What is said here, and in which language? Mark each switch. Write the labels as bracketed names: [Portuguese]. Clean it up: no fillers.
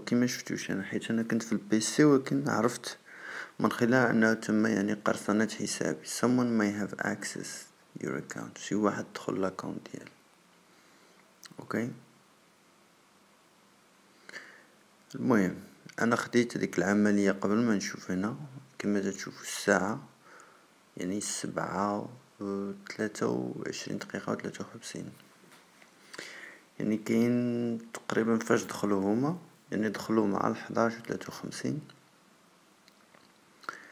[Arabic] وكما شفتوش انا حيت انا كنت في البيسي، ولكن عرفت من خلال انه تم يعني قرصنة حسابي. [English] someone may have access your account، [Arabic] شي واحد دخل الاكونت ديالي. اوكي المهم انا خديت هذيك العمليه قبل ما نشوف هنا كما تشوفوا الساعه، يعني 7:23 دقيقه و 53، يعني كاين تقريبا فاش دخلوا هما يعني دخلوا مع 11:53.